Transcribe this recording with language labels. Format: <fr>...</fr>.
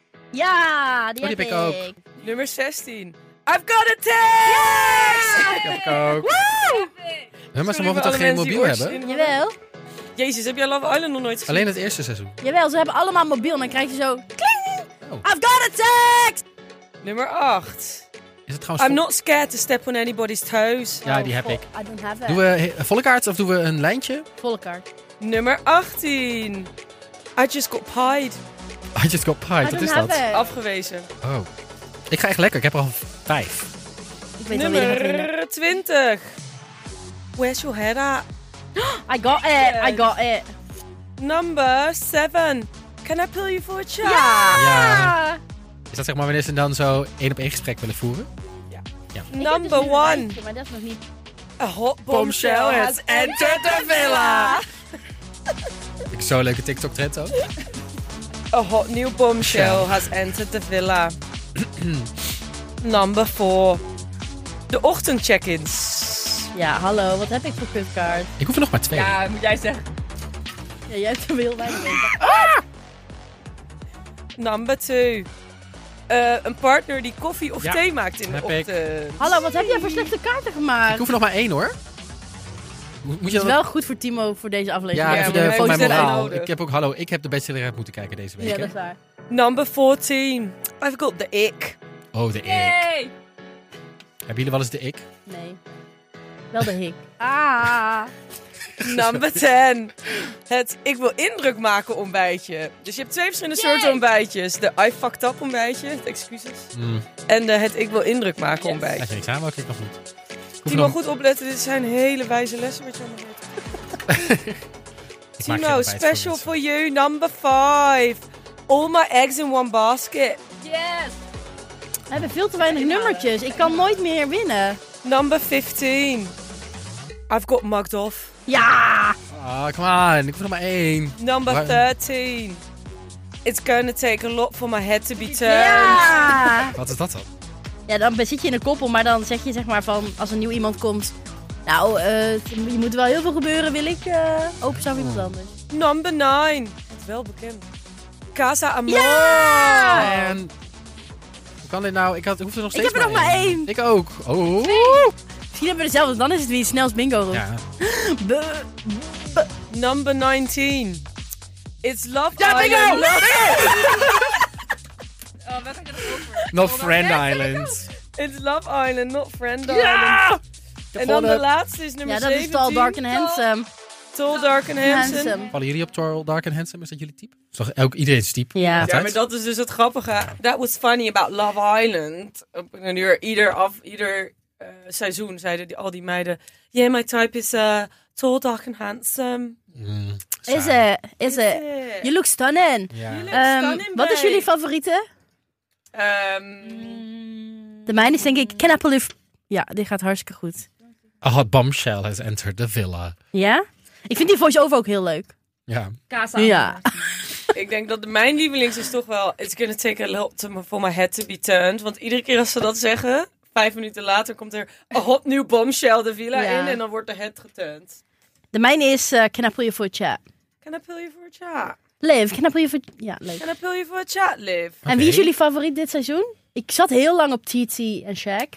<nl>Ja, die heb ik ook.</nl> <en>Nummer 16. I've got a text!</en> <nl>Yeah! Die heb ik ook. Woo! Nee, maar ze mogen toch geen mobiel hebben? Jawel. Jezus, heb jij Love Island nog nooit gezien? Alleen het eerste seizoen. Jawel, ze hebben allemaal mobiel. En dan krijg je zo...</nl> <en>Kling! Oh. I've got a text!</en> <nl>Nummer 8. Is het trouwens...</nl> <en>I'm not scared to step on anybody's toes.</en> <nl>Ja, die heb ik.</nl> <en>I don't have it.</en> <nl>Doen we volle kaart of doen we een lijntje? Volle kaart.</nl> <en>Nummer 18. I just got pied. I just got pied,</en> <nl>wat is dat? It. Afgewezen. Oh. Ik ga echt lekker. Ik heb er al 5.</nl> <en>Nummer 20. Where's your head at? I got it. Yes. I got it. Number 7. Can I pull you for a chat?</en> <nl>Ja! Is dat zeg maar wanneer ze dan zo één op één gesprek willen voeren?</nl> <en>Ja. Number 1. A hot bombshell has entered the villa.</en> <nl>Ik zo leuke TikTok trend ook.</nl> <en>A hot new bombshell has entered the villa. Number 4.</en> <nl>De ochtend check-ins. Ja, hallo, wat heb ik voor kutkaart? Ik hoef er nog maar 2. Ja, moet jij zeggen. Ja, jij hebt er heel weinig.</nl> <en>Number 2.</en> <nl>een partner die koffie of thee maakt in de ochtend. Hallo, wat heb jij voor slechte kaarten gemaakt? Ik hoef er nog maar één hoor. Moet je het is wel goed voor Timo voor deze aflevering. Ja, voor, de, voor mijn moraal. Ik heb ook, hallo, ik heb de bachelor uit moeten kijken deze week. Ja, dat is waar.</nl> <en>Number 14. I've got the ik.</en> <nl>Oh, de ik. Hebben jullie wel eens de ik? Nee. Wel de hik. Ah.</nl> <en>Number 10.</en> <nl>Het ik wil indruk maken ontbijtje. Dus je hebt twee verschillende soorten ontbijtjes. De</nl> <en>I fucked up</en> <nl>ontbijtje, het excuses. En de het ik wil indruk maken ontbijtje. Als je een examen ook, ik nog niet. Timo, nog goed opletten. Dit zijn hele wijze lessen wat je allemaal weet.</nl> <en>Timo, special for you. Number 5. All my eggs in one basket. Yes.</en> <nl>We hebben veel te weinig nummertjes. Ik kan nooit meer winnen.</nl> <en>Number 15. I've got mugged off.</en> <nl>Ja.</nl> <en>Ah, come on.</en> <nl>Ik hoef er maar één.</nl> <en>Number 13. It's gonna take a lot for my head to be turned.</en> <nl>Ja. Wat is dat dan? Ja, dan zit je in een koppel, maar dan zeg je zeg maar van, als een nieuw iemand komt, nou, je moet wel heel veel gebeuren, wil ik openstaan voor iemand anders.</nl> <en>Number 9.</en> <nl>Dat is wel bekend. Casa Amor. Ja! En, hoe kan dit nou? Ik hoef er nog steeds maar één. Ik heb er nog maar één. Ik ook. Oh. Misschien hebben we dezelfde, dan is het wie snelst bingo roept. Ja.</nl> <en>Number 19. It's Love Island.</en> <nl>Ja, bingo! Bingo!</nl> <en>Oh, not Friend Island. It's Love Island, not Friend Island.</en> <nl>En dan de laatste is nummer 17. Ja, dat is Tall, Dark and Handsome.</nl> <en>Tall, Dark and Handsome.</en> <nl>Vallen jullie op Tall, Dark and Handsome? Is dat jullie type? Is ook iedereen zijn type?</nl> <en>Yeah.</en> <nl>Ja, maar dat is dus het grappige.</nl> <en>That was funny about Love Island.</en> <nl>Op een uur, ieder seizoen zeiden al die meiden...</nl> <en>Yeah, my type is Tall, Dark and Handsome. Is it? You look stunning. Yeah. You look stunning,</en> <nl>wat is jullie favoriete? De mijne is denk ik... Can Apple Leaf... Ja, die gaat hartstikke goed.</nl> <en>A hot bombshell has entered the villa.</en> <nl>Ja? Ik vind die voice-over ook heel leuk. Ja. Casa. Ja. Ik denk dat mijn lievelings is toch wel...</nl> <en>It's gonna take a lot for my head to be turned.</en> <nl>Want iedere keer als ze dat zeggen... 5 minuten later komt er</nl> <en>a hot new bombshell</en> <nl>de villa in. En dan wordt de head geturnd. De mijne is</nl> <en>Can I pull you for a chat? Can I pull you for a chat? Liv, can I pull you for... Ja, Liv. Can I pull you for a chat, Liv?</en> <nl>Okay. En wie is jullie favoriet dit seizoen? Ik zat heel lang op TT en Shaq.</nl>